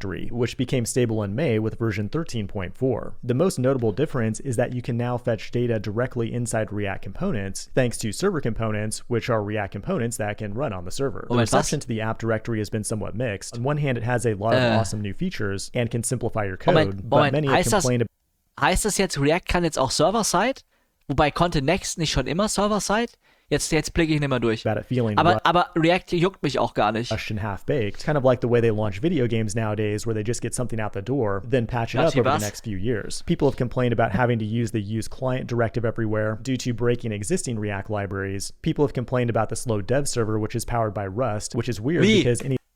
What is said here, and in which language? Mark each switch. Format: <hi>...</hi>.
<en>Which became stable in May with version 13.4. The most notable difference is that you can now fetch data directly inside React components, thanks to server components, which are React components that can run on the server. The reception to the app directory has been somewhat mixed. On one hand, it has a lot of awesome new features and can simplify your code, but many have complained about...</en> <de>Heißt das jetzt, React kann jetzt auch server-side? Wobei konnte Next nicht schon immer server-side? Jetzt blicke ich nicht mehr durch. Aber React juckt mich auch gar nicht.</de> <en>Half-baked. Kind of like the way they launch video games nowadays, where they just get something out the door, then patch it up over the next few years. People have complained about having to use the use client directive everywhere due to breaking existing React libraries. People have complained about the slow dev server, which is powered by Rust, which is weird because any...</en>